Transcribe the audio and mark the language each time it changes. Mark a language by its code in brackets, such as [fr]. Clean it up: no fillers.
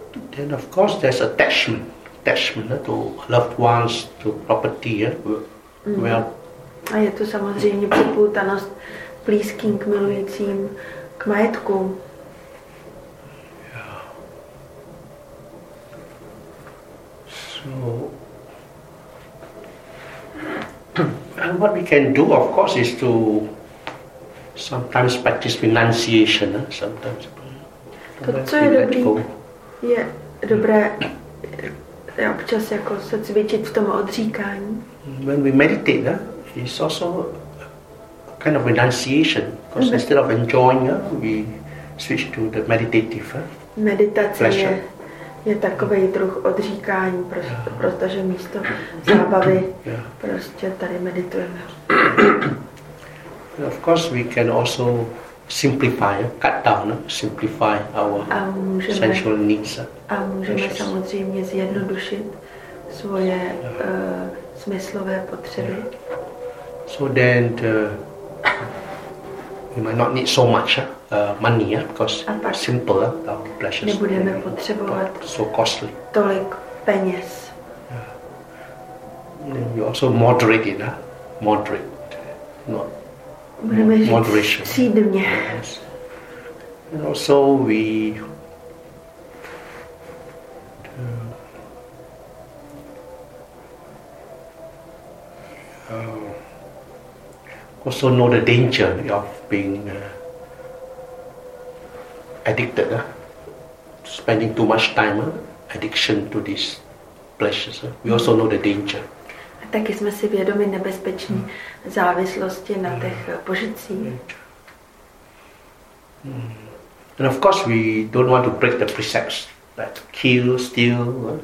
[en] Then of course there's attachment to loved ones, to property, well. [cs] A je to samozřejmě připoutanost blízkým k milujícím, k majetku. [en] So, and what we can do, of course, is to sometimes practice renunciation, sometimes. [cs] To, co je dobrý, je dobré občas jako se cvičit v tom odříkání. [en] When we meditate, it's also a kind of renunciation, because instead of enjoying, we switch to the meditative. [cs] Meditace je takový druh odříkání, protože místo zábavy prostě tady meditujeme. [en] Of course, we can also simplify, cut down, simplify our sensual needs. [cs] A můžeme samozřejmě zjednodušit svoje smyslové potřeby. [en] So then we might not need so much money, because simple pleasures. [cs] Nebudeme potřebovat [en] so costly. [cs] Tolik peněz. [en] Yeah. You also moderate it, moderate, not. [cs] Moderation. Přídemně. [en] And also we also know the danger of being addicted, spending too much time, addiction to these pleasures. We also know the danger. [cs] Taky jsme si vědomi nebezpečné závislosti na těch požitcích. [en] And of course we don't want to break the precepts that kill, steal.